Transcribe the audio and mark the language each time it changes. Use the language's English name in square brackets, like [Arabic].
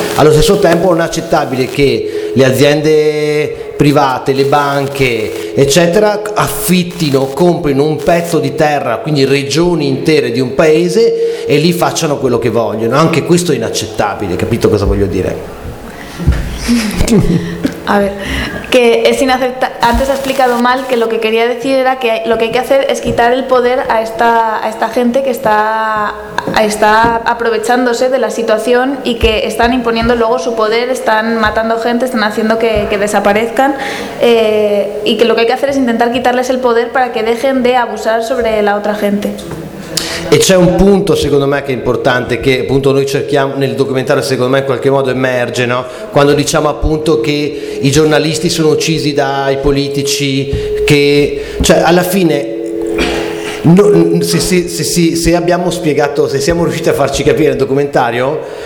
[Italian] Allo stesso tempo non è accettabile che le aziende private, le banche, eccetera, affittino, comprino un pezzo di terra, quindi regioni intere di un paese, e lì facciano quello che vogliono. Anche questo è inaccettabile, capito cosa voglio dire? [Spanish] A ver, que es antes ha explicado mal, que lo que quería decir era que lo que hay que hacer es quitar el poder a esta gente que está aprovechándose de la situación y que están imponiendo luego su poder, están matando gente, están haciendo que desaparezcan, y que lo que hay que hacer es intentar quitarles el poder para que dejen de abusar sobre la otra gente. [Italian] E c'è un punto secondo me che è importante, che appunto noi cerchiamo nel documentario, secondo me in qualche modo emerge, no? Quando diciamo appunto che i giornalisti sono uccisi dai politici, che cioè alla fine no, se abbiamo spiegato, se siamo riusciti a farci capire nel documentario,